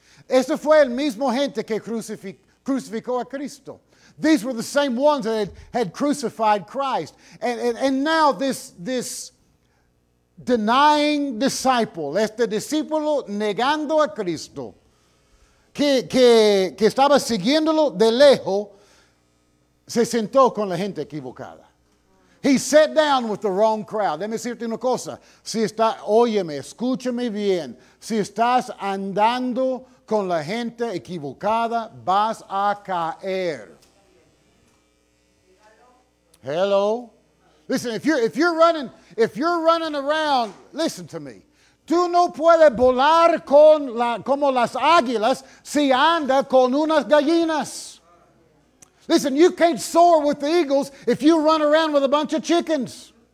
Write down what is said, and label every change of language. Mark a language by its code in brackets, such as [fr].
[es] Ese fue el mismo gente que crucificó a Cristo. [en] These were the same ones that had crucified Christ. And now this denying disciple, [es] este discípulo negando a Cristo, que estaba siguiéndolo de lejos, se sentó con la gente equivocada. [en] He sat down with the wrong crowd. [es] Déjame decirte una cosa. Óyeme, escúchame bien. Si estás andando con la gente equivocada, vas a caer. [en] Hello. Listen, if you're running around, listen to me. [es] Tú no puedes volar como las águilas si andas con unas gallinas. [en] Listen, you can't soar with the eagles if you run around with a bunch of chickens.